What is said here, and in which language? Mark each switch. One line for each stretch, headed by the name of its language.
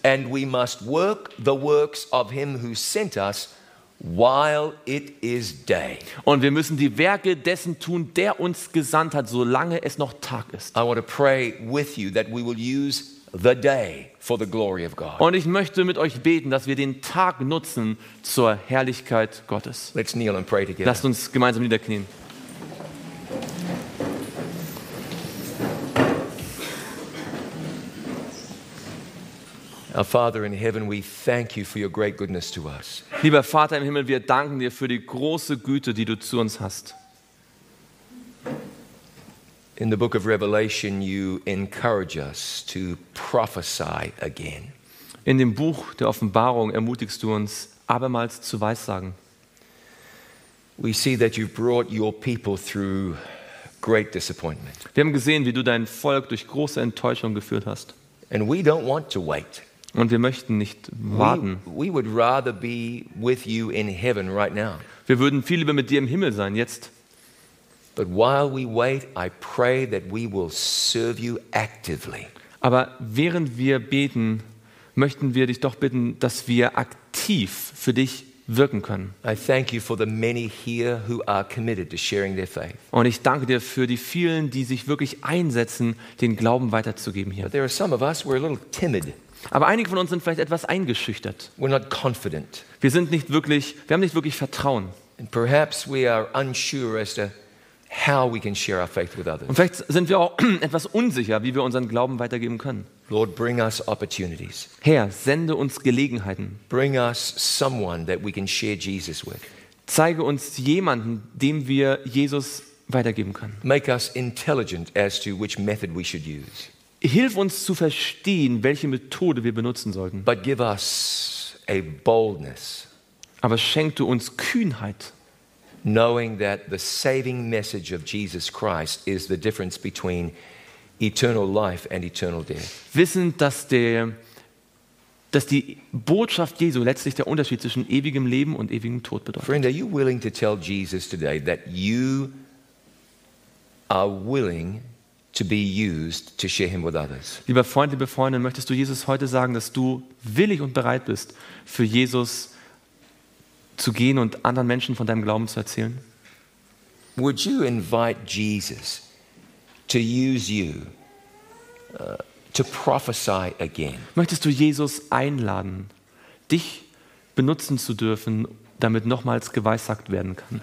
English: And we must work the works of him who sent us while it is day.
German: Und wir müssen die Werke dessen tun, der uns gesandt hat, solange es noch Tag ist.
English: I want to pray with you that we will use the day for the glory of God.
German: Und ich möchte mit euch beten, dass wir den Tag nutzen zur Herrlichkeit Gottes.
English: Let's kneel and pray together.
German: Lasst uns gemeinsam niederknien.
English: Our Father in heaven, we thank you for your great goodness to us.
German: Lieber Vater im Himmel, wir danken dir für die große Güte, die du zu uns hast.
English: In the book of Revelation, you encourage us to prophesy again.
German: In dem Buch der Offenbarung ermutigst du uns, abermals zu weissagen.
English: We see that you've brought your people through great disappointment.
German: Wir haben gesehen, wie du dein Volk durch große Enttäuschung geführt hast.
English: And we don't want to wait.
German: Und wir möchten nicht warten.
English: We would rather be with you in heaven right now.
German: Wir würden viel lieber mit dir im Himmel sein jetzt.
English: But while we wait, I pray that we will serve you actively.
German: Aber während wir beten, möchten wir dich doch bitten, dass wir aktiv für dich wirken können.
English: I thank you for the many here who are committed to sharing their faith.
German: Und ich danke dir für die vielen, die sich wirklich einsetzen, den Glauben weiterzugeben hier.
English: But there are some of us, we're a little timid.
German: Aber einige von uns sind vielleicht etwas eingeschüchtert.
English: We're not confident.
German: Wir haben nicht wirklich Vertrauen.
English: And perhaps we are unsure as to how we can share our faith with others.
German: Und vielleicht sind wir auch etwas unsicher, wie wir unseren Glauben weitergeben können.
English: Lord, bring us opportunities.
German: Herr, sende uns Gelegenheiten.
English: Bring us someone that we can share Jesus with.
German: Zeige uns jemanden, dem wir Jesus weitergeben können.
English: Make us intelligent as to which method we should use.
German: Hilf uns zu verstehen, welche Methode wir benutzen sollten.
English: But give us a boldness.
German: Aber schenk du uns Kühnheit.
English: Knowing that the saving message of Jesus Christ is the difference between eternal life and eternal death.
German: Wissend, dass die Botschaft Jesu letztlich der Unterschied zwischen ewigem Leben und ewigem Tod bedeutet.
English: Friend, are you willing to tell Jesus today that you are willing to be used to share him with others?
German: Lieber Freund, liebe Freundin, möchtest du Jesus heute sagen, dass du willig und bereit bist, für Jesus zu gehen und anderen Menschen von deinem Glauben zu erzählen?
English: Would you invite Jesus to use you to prophesy again?
German: Möchtest du Jesus einladen, dich benutzen zu dürfen, damit nochmals geweissagt werden kann?